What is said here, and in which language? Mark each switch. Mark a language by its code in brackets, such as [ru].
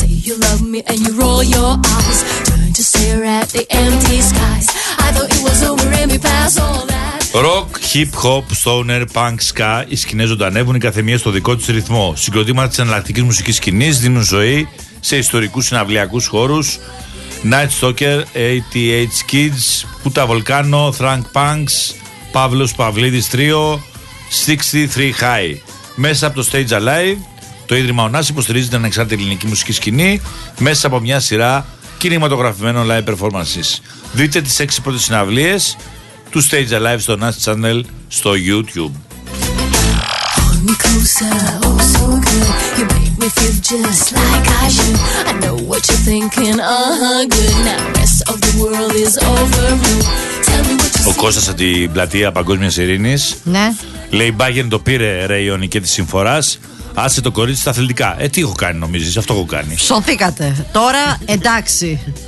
[en] You love me and you roll your eyes. Turn to stare at the empty skies. I thought it was over and we passed all that. Ροκ, hip hop, stoner, punk, ska. [el] Οι σκηνές ζωντανεύουν, η καθεμία στο δικό της ρυθμό. Συγκροτήματα της εναλλακτικής μουσικής σκηνής δίνουν ζωή σε ιστορικούς συναυλιακούς χώρους. [en] Night Stalker, ATH Kids, Puta Volcano, Thrunk Punks, Pavlos Pavlidis Trio, 63 High. [el] Μέσα από το Stage Alive, το Ίδρυμα ΟΝΑΣ υποστηρίζει την ανεξάρτητη ελληνική μουσική σκηνή μέσα από μια σειρά κινηματογραφημένων live performances. Δείτε τις 6 πρώτες συναυλίες του Stage Alive στο ΟΝΑΣ Channel στο YouTube. [en] Closer, oh so good. You make me feel just like I should. I know what you're thinking, good. Now rest of the world is over. [el] Ο Κώστας από την πλατεία Παγκόσμιας Ειρήνης, ναι, λέει: Μπάγεν το πήρε ρε η Ιωνική της συμφοράς. Άσε το κορίτσι στα αθλητικά. Ε, τι έχω κάνει νομίζεις, αυτό έχω κάνει. Σωθήκατε, τώρα εντάξει.